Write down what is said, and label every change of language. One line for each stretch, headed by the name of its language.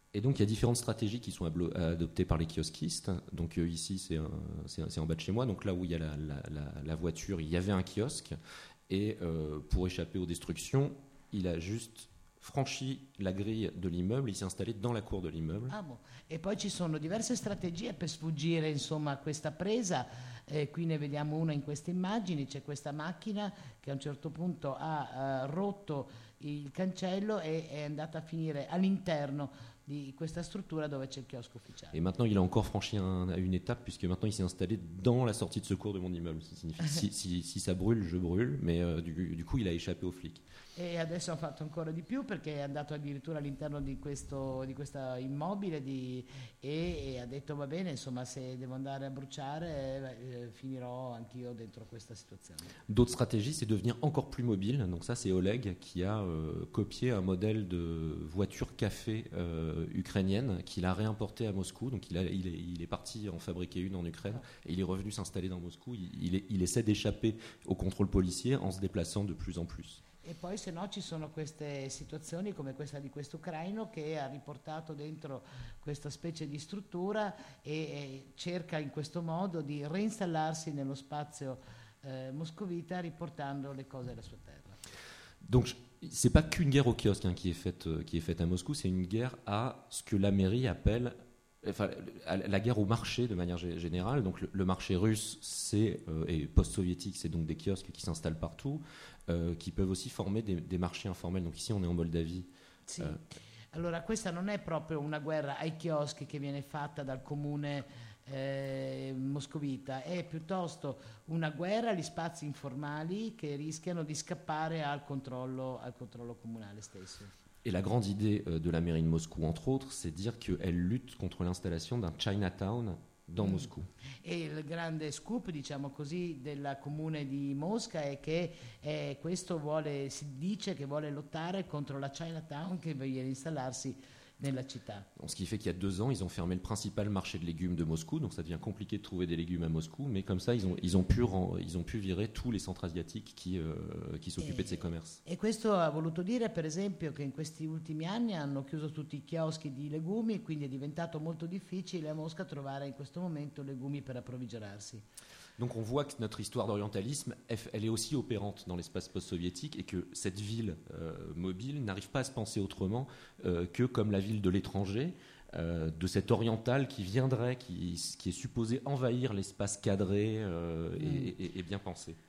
French: Et donc, il y a différentes stratégies qui sont adoptées par les kiosquistes. Donc, ici, c'est en bas de chez moi. Donc, là où il y a la voiture, il y avait un kiosque. Et pour échapper aux destructions, il a juste franchi la grille de l'immeuble. Il s'est installé dans la cour de l'immeuble. Ah bon.
Italian: Et poi ci sono diverse strategie per sfuggire, insomma, a questa presa. Qui ne vediamo una in queste immagini. C'è questa macchina che a un certo punto ha rotto il cancello e è andata a finire all'interno di questa struttura dove c'è il chiosco ufficiale.
French: Et maintenant il a encore franchi une étape puisque maintenant il s'est installé dans la sortie de secours de mon immeuble. Ça signifie si ça brûle, je brûle, mais du coup il a échappé aux flics.
Italian: Et adesso ha fatto ancora di più perché è andato addirittura all'interno di questo immobile e ha detto va bene, insomma, se devo andare a bruciare finirò anch'io dentro questa situazione.
French: D'autres stratégies, c'est devenir encore plus mobile. Donc ça c'est Oleg qui a copié un modèle de voiture café ukrainienne qu'il a réimporté à Moscou. Donc il est parti en fabriquer une en Ukraine et il est revenu s'installer dans Moscou. Il essaie d'échapper au contrôle policier en se déplaçant de plus en plus.
Italian: E poi se no ci sono queste situazioni come questa di questo ucraino che ha riportato dentro questa specie di struttura e cerca in questo modo di reinstallarsi nello spazio moscovita riportando le cose alla sua terra.
French: Donc, c'est pas qu'une guerre au kiosque qui est faite à Moscou, c'est une guerre à ce que la mairie appelle la guerre au marché de manière générale. Donc le marché russe et post-soviétique, c'est donc des kiosques qui s'installent partout, qui peuvent aussi former des marchés informels. Donc ici on est en Moldavie.
Italian: Sì. Allora questa non è proprio una guerra ai chioschi che viene fatta dal comune moscovita, è piuttosto una guerra agli spazi informali che rischiano di scappare al controllo comunale stesso.
French: Et la grande idée de la mairie de Moscou, entre autres, c'est de dire qu'elle lutte contre l'installation d'un Chinatown dans Moscou. Et le grand scoop,
Italian: diciamo così, della comune di Mosca è che questo vuole, si dice che vuole lottare contro la Chinatown che veuille installarsi nella città.
French: Ce qui fait qu'il y a deux ans, ils ont fermé le principal marché de légumes de Moscou, donc ça devient compliqué de trouver des légumes à Moscou, mais comme ça, ils ont pu virer tous les centres asiatiques qui s'occupaient de ces commerces.
Italian: Et questo ha voluto dire, per esempio, che in questi ultimi anni hanno chiuso tutti i chioschi di legumi, quindi è diventato molto difficile a Mosca trovare in questo momento legumi per approvvigionarsi.
French: Donc on voit que notre histoire d'orientalisme, elle est aussi opérante dans l'espace post-soviétique et que cette ville mobile n'arrive pas à se penser autrement que comme la ville de l'étranger, de cet oriental qui viendrait, qui est supposé envahir l'espace cadré et bien pensé.